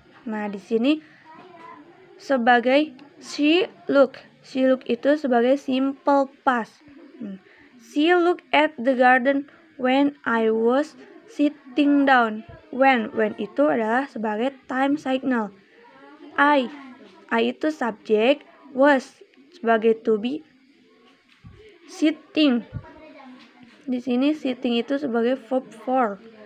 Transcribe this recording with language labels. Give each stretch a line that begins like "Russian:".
Indonesian: Nah, di sini sebagai she look itu sebagai simple past.
English: She looked at the garden when I was sitting down.
Indonesian: When itu adalah sebagai time signal. I itu subjek, was sebagai to be, sitting. Di sini sitting itu sebagai verb 4.